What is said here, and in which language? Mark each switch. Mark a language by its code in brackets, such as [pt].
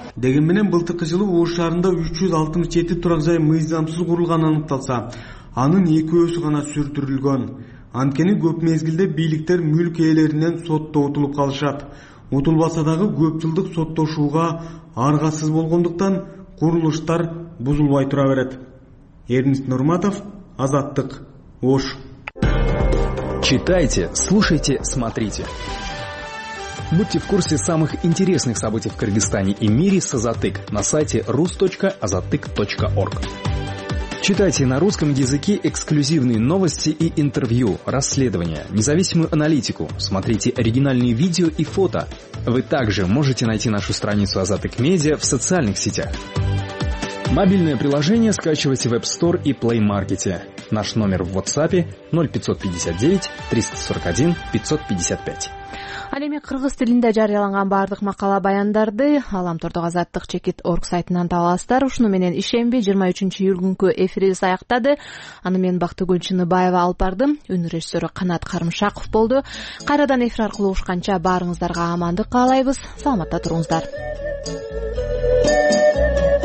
[ky] Деген менен былтыркы жылы Ош шаарында 367 турак жай мыйзамсыз курулганы аныкталса, анын экөөсү гана сүрдүрүлгөн. Анткени көп мезгилде бийликтер мүлк ээлеринен сотто утулуп калышат. Утулбаса дагы көп жылдык соттошууга аргасыз болгондуктан курулуштар бузулбай тура берет. Эрнис Нурматов, Азаттык, Ош. [ru] Читайте, слушайте, смотрите. Будьте в курсе самых интересных событий в Кыргызстане и мире с Азаттык на сайте rus.azattyk.org. Читайте на русском языке эксклюзивные новости и интервью, расследования, независимую аналитику. Смотрите оригинальные видео и фото. Вы также можете найти нашу страницу Азаттык Медиа в социальных сетях. Мобильное приложение скачивайте в App Store и Play Market. наш номер в WhatsApp 0559-341-555. [ky] Ал эми кыргыз тилинде жарыяланган баардык макала баяндарды Аламтордогу азаттык чекит орг сайтынан таба аласыздар. Ушуну менен ишемби 23 июлгүнкү эфирибиз аяктады. Аны мен Бактыгүл Чыныбаева алып бардым. Үн режиссёру Канат Карымшаков болду. Кайрадан эфир аркылуу ушканча баарыңыздарга амандык каалайбыз. Саламатта туруңуздар.